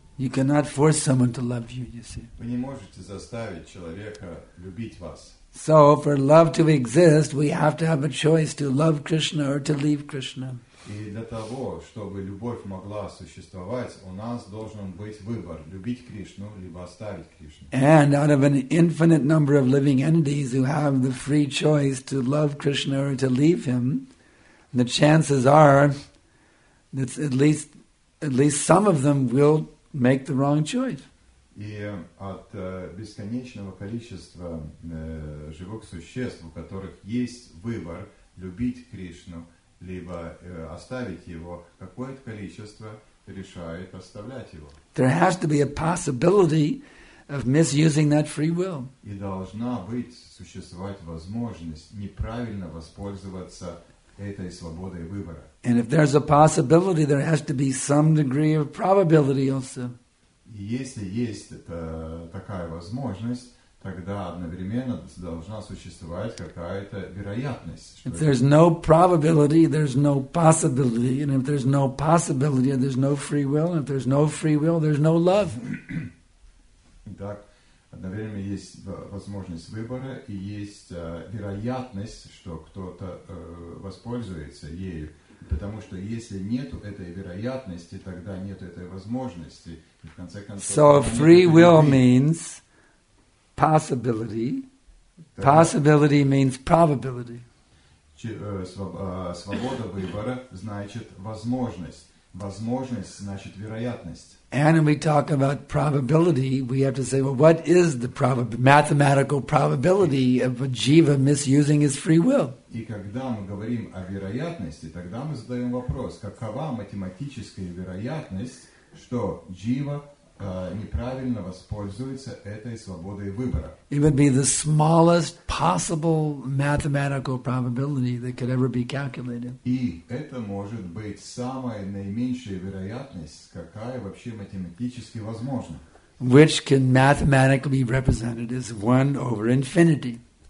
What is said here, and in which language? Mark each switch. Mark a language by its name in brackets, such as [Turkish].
[English] You cannot force someone to love you, you see. [Russian] Вы не можете заставить человека любить вас. [English] So, for love to exist, we have to have a choice to love Krishna or to leave Krishna. [Russian] И для того, чтобы любовь могла существовать, у нас должен быть выбор – любить Кришну, либо оставить Кришну. [English] And out of an infinite number of living entities who have the free choice to love Krishna or to leave him, the chances are that at least some of them will make the wrong choice. [Russian] И от бесконечного количества живых существ, у которых есть выбор любить Кришну либо оставить его, какое-то количество решает оставлять его. [English] There has to be a possibility of misusing that free will. [Russian] И должна быть существовать возможность неправильно воспользоваться этой свободой выбора. [English] And if there's a possibility, there has to be some degree of probability also. [Russian] И если есть такая возможность, тогда одновременно должна существовать какая-то вероятность. [English] If there's no probability, there's no possibility. And if there's no possibility, there's no free will. And if there's no free will, there's no love. [Russian] Итак, одновременно есть возможность выбора и есть вероятность, что кто-то воспользуется ею. Потому что если нету этой вероятности, тогда нету этой возможности. И в конце концов, [English] so free will means possibility. Possibility means probability. [Russian] Свобода выбора значит возможность. Возможность значит вероятность. [English] And when we talk about probability, we have to say, well, what is the mathematical probability of a jiva misusing his free will? [Russian] И когда мы говорим о вероятности, тогда мы задаем вопрос, какова математическая вероятность, что джива неправильно воспользуется этой свободой выбора? [English] It would be the smallest possible mathematical probability that could ever be calculated. [Russian] И это может быть самая наименьшая вероятность, какая вообще математически возможна. [English] Which can mathematically be represented as 1 over infinity.